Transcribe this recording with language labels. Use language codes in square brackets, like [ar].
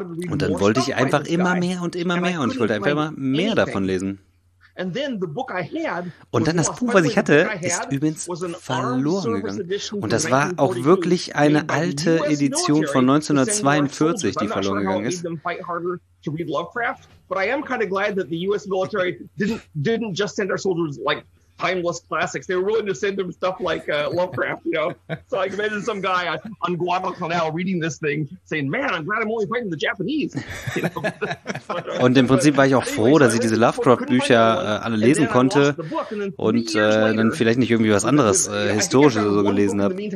[de] Und dann wollte ich einfach immer mehr und immer mehr und ich wollte einfach immer mehr davon lesen. [en] And then the book I had, [de] und dann das Buch, was ich hatte, ist übrigens verloren gegangen. Und das war auch wirklich eine alte Edition von 1942, die verloren gegangen ist. [en] To read Lovecraft, but I am kind of glad that the U.S. military didn't just send our soldiers like timeless classics. They were willing to send them stuff like Lovecraft, you know. So I imagine some guy on Guadalcanal reading this thing, saying, "Man, I'm glad I'm only fighting the Japanese." You know? [de] Und im Prinzip war ich auch froh, dass ich diese Lovecraft-Bücher alle lesen konnte und dann vielleicht nicht irgendwie was anderes historisches so gelesen habe.